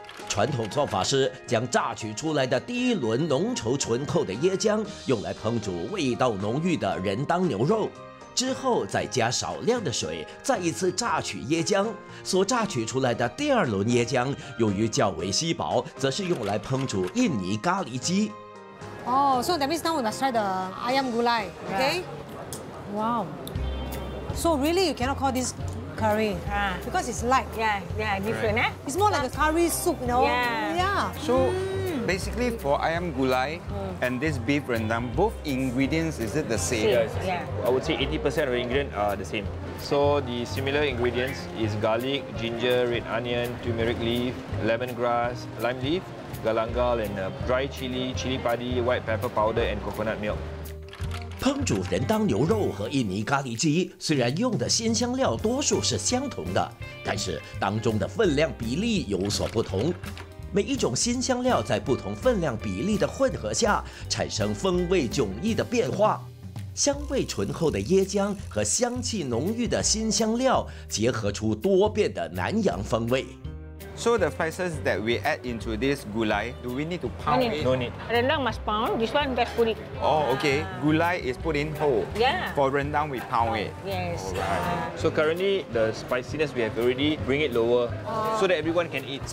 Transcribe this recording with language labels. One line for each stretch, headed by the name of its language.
Chinese: 传统做法是将榨取出来的第一轮浓稠醇厚的椰浆用来烹煮味道浓郁的人当牛肉，之后再加少量的水，再一次榨取椰浆。所榨取出来的第二轮椰浆由于较为稀薄，则是用来烹煮印尼咖喱鸡。
English: So that means now we must try the ayam gulai, okay? Yeah. Wow. So really, you cannot call this. Curry, because it's light. Yeah, different, right. It's more like a curry soup, you know. Yeah. So, basically, for ayam gulai and this beef rendang, both ingredients is it the same? Yeah. I would say 80% of the ingredients are the same. So the similar ingredients is garlic, ginger, red onion, turmeric leaf, lemongrass, lime leaf, galangal, and dry chili, chili padi, white pepper powder, and coconut milk.
Chinese: 烹煮人当牛肉和印尼咖喱鸡虽然用的辛香料多数是相同的，但是当中的分量比例有所不同。每一种辛香料在不同分量比例的混合下产生风味迥异的变化。香味醇厚的椰浆和香气浓郁的辛香料结合出多变的南洋风味。
English: So the spices that we add into this gulai, do we need to pound it? No need. Rendang must pound. This one just put it. Oh, okay. Gulai is put in whole. Yeah. For rendang, we pound it. Yes. Alright. So currently, the spiciness we have already bring it lower, so that everyone can eat.